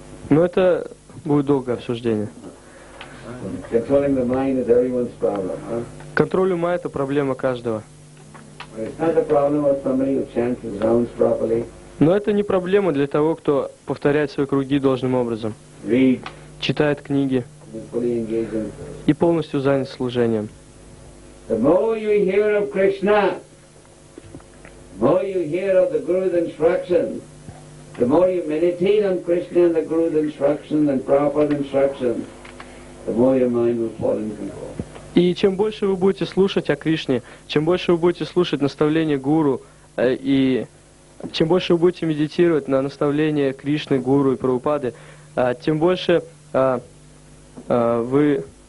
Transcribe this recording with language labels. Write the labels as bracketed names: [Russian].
[Russian] Но это будет долгое обсуждение. [English] Controlling the mind is everyone's problem, huh? [Russian] Контроль ума — это проблема каждого. [English] Well, it's not a problem of somebody who chants his rounds properly. [Russian] Но это не проблема для того, кто повторяет свои круги должным образом. [English] Read. [Russian] Читает книги. [English] Fully engaged in... [Russian] И полностью занят служением. [English] The more you hear of Krishna, the more you hear of the Guru's instructions, the more you meditate on Krishna and the Guru's instructions and Prabhupada's instructions, the more your mind will fall in control. [Russian] И чем больше вы будете слушать о Кришне, чем больше вы будете слушать наставления Гуру, и чем больше вы будете медитировать на наставления Кришны, Гуру и Прабхупады, тем больше вы...